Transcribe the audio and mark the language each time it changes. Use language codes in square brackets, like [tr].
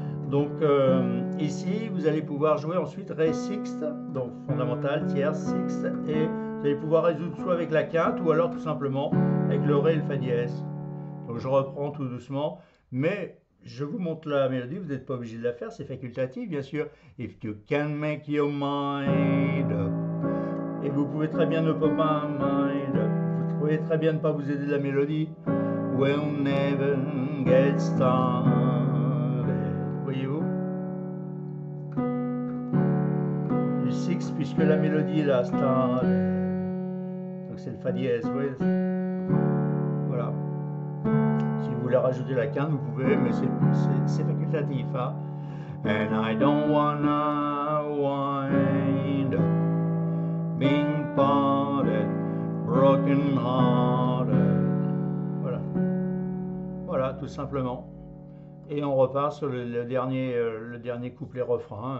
[fr] Donc ici, vous allez pouvoir jouer ensuite ré sixte, donc fondamentale, tierce, sixte, et vous allez pouvoir résoudre soit avec la quinte ou alors tout simplement avec le ré et le fa dièse. Donc je reprends tout doucement, mais. Je vous montre la mélodie, vous n'êtes pas obligé de la faire, c'est facultatif bien sûr. [en] If you can make your mind up. [fr] Et vous pouvez très bien ne pas mind up. Vous pouvez très bien ne pas vous aider de la mélodie. [en] We'll never get started. [fr] Voyez-vous? Du six, puisque la mélodie est là, started. Donc c'est le fa dièse, oui. Rajouter la quinte, vous pouvez, mais c'est facultatif. Hein. [en] And I don't wanna wind up being parted, broken hearted. [fr] Voilà. Voilà, tout simplement. Et on repart sur le dernier couplet refrain.